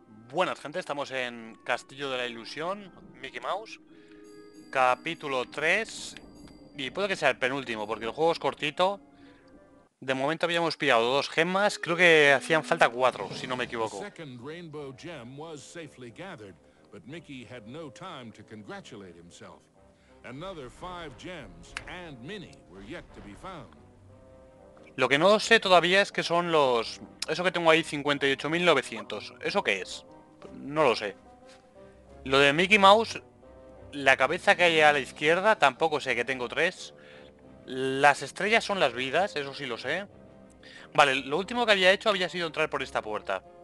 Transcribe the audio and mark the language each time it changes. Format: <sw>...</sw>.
<es>Buenas, gente, estamos en Castillo de la Ilusión, Mickey Mouse, capítulo 3, y puede que sea el penúltimo, porque el juego es cortito. De momento habíamos pillado dos gemas, creo que hacían falta cuatro, si no me equivoco. La segunda Rainbow Gem fue seguramente recogida, pero Mickey no tenía tiempo para felicitarse.</es> <en>Another 5 gems and many were yet to be found.</en> <es>Lo que no sé todavía es qué son los... Eso que tengo ahí, 58.900. ¿Eso qué es? No lo sé. Lo de Mickey Mouse, la cabeza que hay a la izquierda, tampoco sé que tengo tres. Las estrellas son las vidas, eso sí lo sé. Vale, lo último que había hecho había sido entrar por esta puerta.</es>